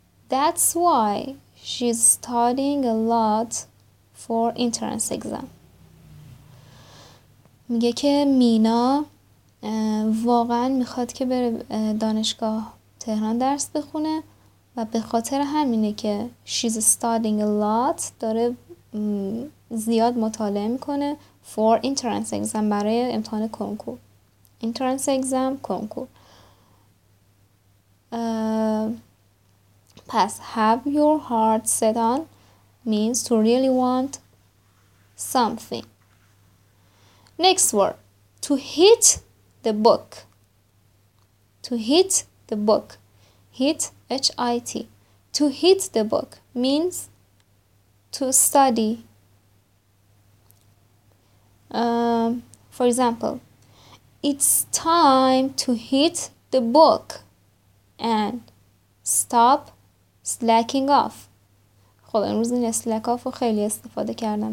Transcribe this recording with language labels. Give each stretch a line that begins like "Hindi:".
English: That's why she's studying a lot for entrance exam.
Persian: میگه که مینا واقعا میخواد که بره دانشگاه تهران درس بخونه و به خاطر همینه که
English: she's studying a lot
Persian: داره زیاد مطالعه میکنه
English: for entrance exam
Persian: برای امتحان کنکور.
English: Entrance exam کنکور. Pass. Have your heart set on means to really want something. Next word. To hit the book. To hit the book. Hit, H-I-T. To hit the book means to study. For example, it's time to hit the book and stop slacking off.
Persian: خب امروز این slack off رو خیلی استفاده کردم.